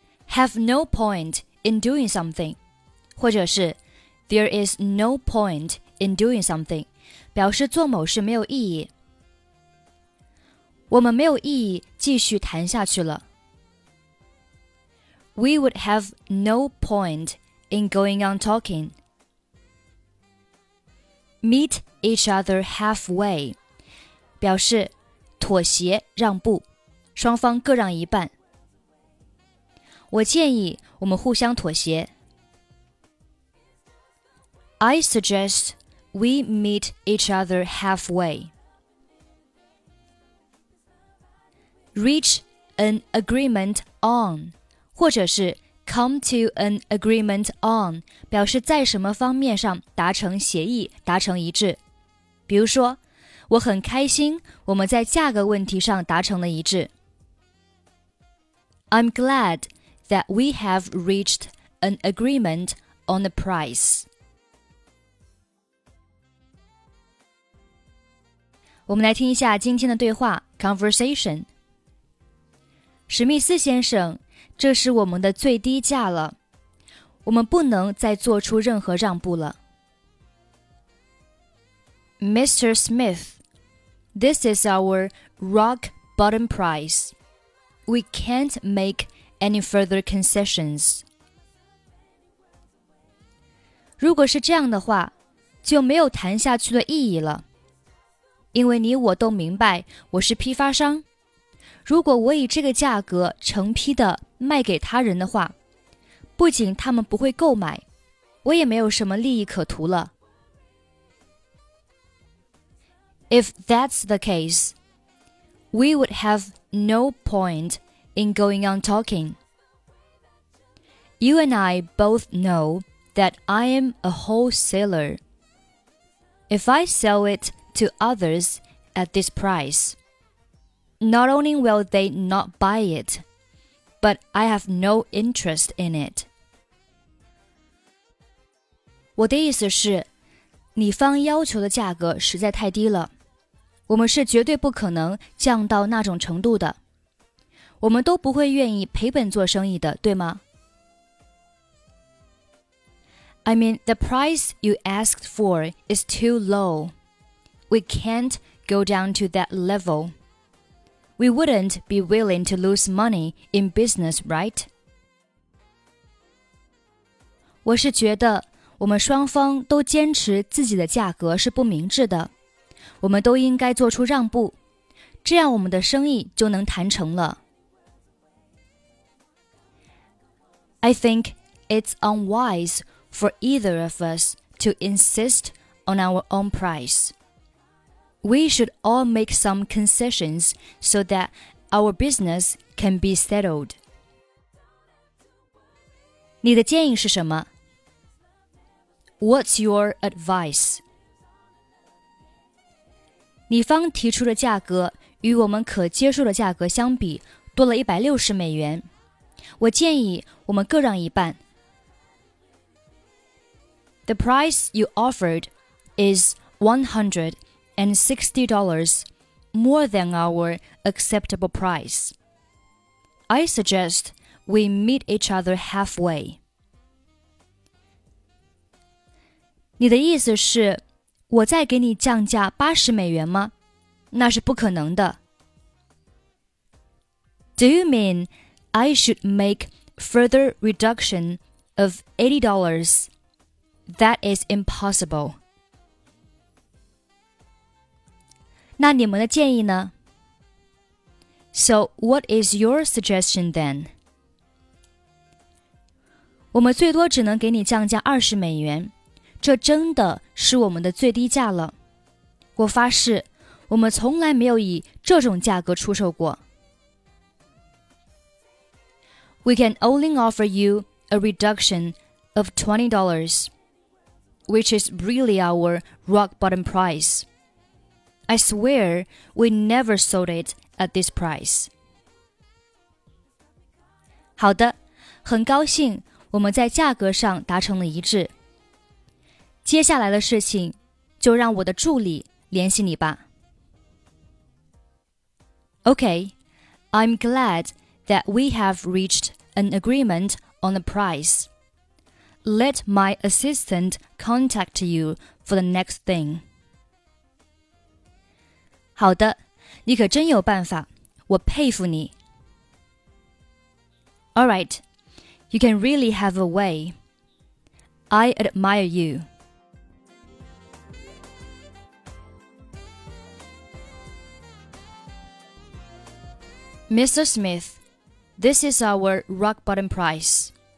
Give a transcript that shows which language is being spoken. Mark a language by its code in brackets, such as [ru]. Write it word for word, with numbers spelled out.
[en] Have no point in doing something, [zh] 或者是 [en] There is no point in doing something, [zh] 表示做某事没有意义。我们没有意义继续谈下去了。 [en] We would have no point in going on talking. Meet each other halfway. [zh] 表示妥协让步，双方各让一半。我建议我们互相妥协。 [en] I suggest we meet each other halfway. Reach an agreement on. [zh] 或者是 [en] come to an agreement on [zh] 表示在什么方面上达成协议，达成一致。比如说，我很开心，我们在价格问题上达成了一致。 [en] I'm glad that we have reached an agreement on the price. [zh] 我们来听一下今天的对话 conversation。史密斯先生，这是我们的最低价了，我们不能再做出任何让步了。 [en] Mister Smith, this is our rock bottom price. We can't make any further concessions. [zh] 如果是这样的话，就没有谈下去的意义了，因为你我都明白，我是批发商。如果我以这个价格成批的卖给他人的话，不仅他们不会购买，我也没有什么利益可图了。 [en] If that's the case, we would have no point in going on talking. You and I both know that I am a wholesaler. If I sell it to others at this price,Not only will they not buy it, but I have no interest in it. [zh] 我的意思是，你方要求的价格实在太低了，我们是绝对不可能降到那种程度的，我们都不会愿意赔本做生意的，对吗？ [en] I mean, the price you asked for is too low. We can't go down to that level. We wouldn't be willing to lose money in business, right? [zh] 我是觉得我们双方都坚持自己的价格是不明智的，我们都应该做出让步，这样我们的生意就能谈成了。 [en] I think it's unwise for either of us to insist on our own price. We should all make some concessions so that our business can be settled. [zh] 你的建议是什么？ [en] What's your advice? [zh] 你方提出的价格与我们可接受的价格相比多了一百六十美元。我建议我们各让一半。 [en] The price you offered is one hundred and sixty dollars more than our acceptable price. I suggest we meet each other halfway. [zh] 你的意思是，我再给你降价八十美元吗？那是不可能的。 [en] Do you mean I should make further reduction of eighty dollars? That is impossible. [zh] 那你们的建议呢？ [en] So what is your suggestion then? [zh] 我们最多只能给你降价二十美元，这真的是我们的最低价了。我发誓，我们从来没有以这种价格出售过。 [en] We can only offer you a reduction of twenty dollars, which is really our rock-bottom price. I swear we never sold it at this price. [zh] 好的，很高兴我们在价格上达成了一致。接下来的事情就让我的助理联系你吧。 [en] Okay, I'm glad that we have reached an agreement on the price. Let my assistant contact you for the next thing. [zh] 好的，你可真有办法，我佩服你。 [en] All right, you can really have a way. I admire you. Mister Smith, this is our rock-bottom price.